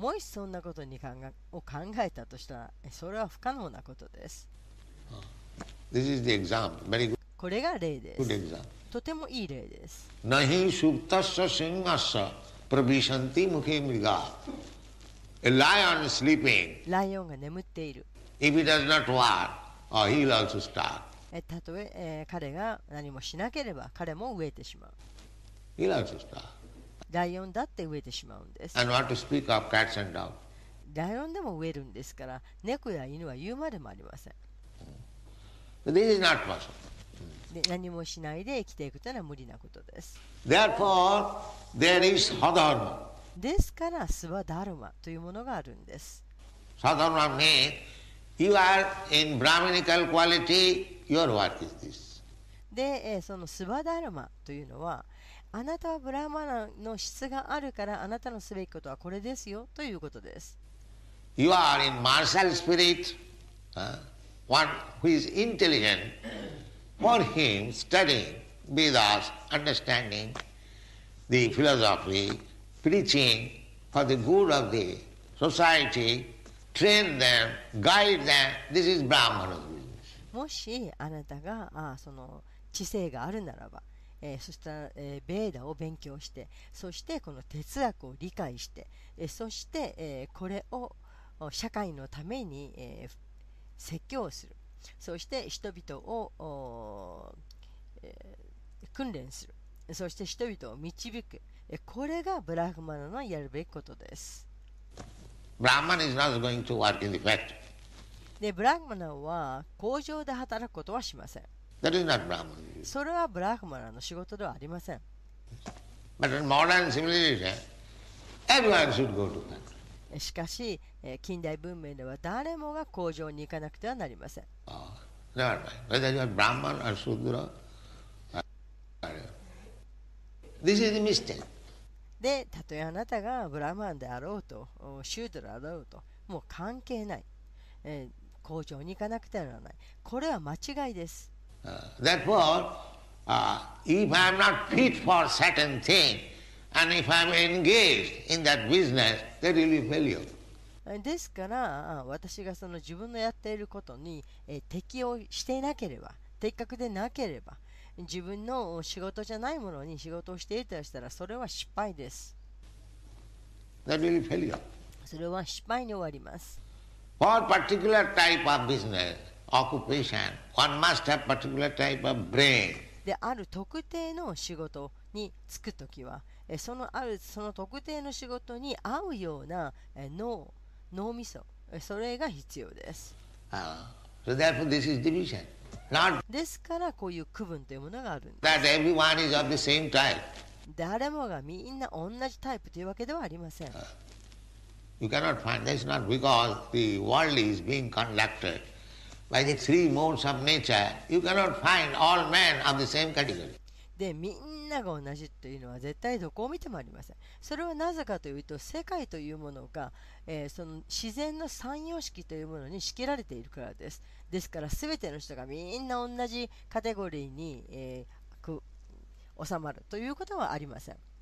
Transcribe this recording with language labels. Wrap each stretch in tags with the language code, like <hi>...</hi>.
<ja>もしそんなことを考えたとしたら、それは不可能なことです。</ja> <en>This is the example. Very good.</en> <ja>これが例です。</ja> <en>Good example.</en> <ja>とてもいい例です。</ja> <sa>なひしゅうたっしゃしんがっしゃ。 Prabhishanti mukhe mriga.</sa> <en>A lion is sleeping.</en> <ja>ライオンが眠っている。</ja> <en>If he does not work, he'll also starve.</en> <ja>たとえ、彼が何もしなければ、彼も飢えてしまう。</ja> <en>He'll also starve.</en> <ja>ライオンだって飢えてしまうんです。</ja> <en>And what to speak of cats and dogs.</en> <ja>ライオンでも飢えるんですから、猫や犬は言うまでもありません。</ja> <en>This is not possible.</en> <ja>何もしないで生きていくというのは無理なことです。</ja> <en>Therefore,There is Sadharma.</en> <ja>ですから、スワダルマというものがあるんです。</ja> <en>Sadharma means you are in Brahminical quality, your work is this.</en> <ja>で、そのスワダルマというのは、あなたはブラーマナの質があるから、あなたのすべきことはこれですよということです。</ja> <en>You are in martial spirit, one who is intelligent, for him studying Vedas, understanding. The philosophy, preaching for the good of the society, train them, guide them. This is Brahmana's business.</en> <ja>もしあなたがその知性があるならば、そしたらベーダを勉強して、そしてこの哲学を理解して、そしてこれを社会のために説教する、そして人々を訓練する。そして人々を導くこれがブラフマナのやるべきことです。</ja> <en>ブラフマナ is not going to work in the factory.</en> <ja>でブラフマナは工場で働くことはしません。</ja> <en>That is not Brahman.</en> <ja>それはブラフマナの仕事ではありません。</ja> <en>But in modern civilization, everyone should go to factory.</en> <ja>しかし近代文明では誰もが工場に行かなくてはなりません。で、たとえあなたがブラマンであろうとシュードラであろうともう関係ない。工場に行かなくてはならない。これは間違いです。</ja> <en>Therefore, if I'm not fit for certain thingAnd if I'm engaged in that business, that will be failure.</en> <ja>ですから、私がその自分のやっていることに適応していなければ、的確でなければ、自分の仕事じゃないものに仕事をしていたとしたら、それは失敗です。</ja> <en>That will be failure.</en> <ja>それは失敗に終わります。</ja> <en>For particular type of business, occupation, one must have particular type of brain.</en> <ja>で、ある特定の仕事に就くときは、その特定の仕事に合うような脳みそ、それが必要です。</ja> <en>So therefore this is division. Not...</en> <ja>ですから、こういう区分というものがあるんです。</ja> <en>That everyone is of the same type.</en> <ja>誰もがみんな同じタイプというわけではありません。</ja> <en>You cannot find this not because the world is being conducted. By the three modes of nature, you cannot find all men of the same category.</en> <ja>で、みんなが同じというのは絶対どこを見てもありません。それはなぜかというと、世界というものが、その自然の三様式というものに仕切られているからです。ですから、すべての人がみんな同じカテゴリーに、収まるということはありません。</ja>